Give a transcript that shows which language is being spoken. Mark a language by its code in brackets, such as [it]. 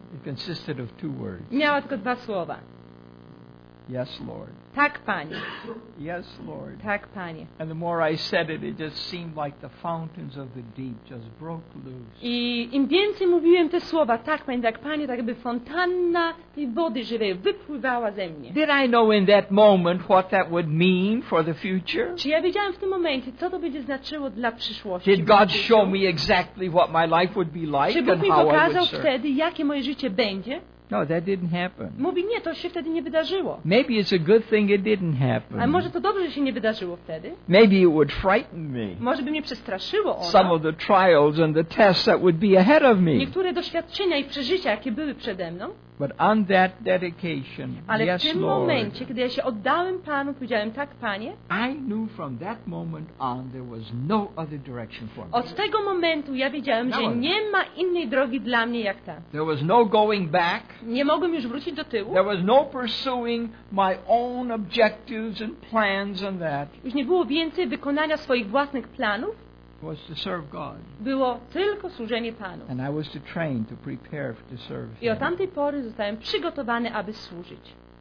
[en] It consisted of two words. [pl] Miała tylko dwa słowa. [en] Yes, Lord. [pl] Tak, Panie. [en] Yes, Lord. [pl] Tak, Panie. [en] And the more I said it, it just seemed like the fountains of the deep just broke loose. [pl] I im więcej mówiłem te słowa, tak, Panie, tak, Panie, tak jakby fontanna tej wody żywej wypływała ze mnie. [en] Did I know in that moment what that would mean for the future? [pl] Czy ja wiedziałem w tym momencie, co to będzie znaczyło dla przyszłości? [en] Did God show me exactly what my life would be like and how I would serve? [pl] Czy Bóg mi pokazał wtedy, jakie moje życie będzie? [en] No, that didn't happen. [pl] Mówi, nie, to się wtedy nie wydarzyło. [en] Maybe it's a good thing it didn't happen. [pl] A może to dobrze, że się nie wydarzyło wtedy. [en] Maybe it would frighten me. [pl] Może by mnie przestraszyło ono. [en] Some of the trials and the tests that would be ahead of me. [pl] Niektóre doświadczenia i przeżycia, jakie były przede mną. [en] But on that dedication, [pl] ale [en] yes, [pl] w tym momencie, [en] Lord, [pl] kiedy ja się oddałem Panu, powiedziałem tak, Panie. [en] I knew from that moment on there was no other direction for me. [pl] Od tego momentu ja wiedziałem, że nie ma innej drogi dla mnie jak ta. [en] There was no going back. [pl] Nie mogłem już wrócić do tyłu. [en] There was no pursuing my own objectives and plans and that. [pl] Już nie było więcej wykonania swoich własnych planów. [en] Was to serve God. [pl] Było tylko służenie Panu. [en] And I was to train to prepare to serve [pl] I od tamtej pory zostałem przygotowany, aby służyć.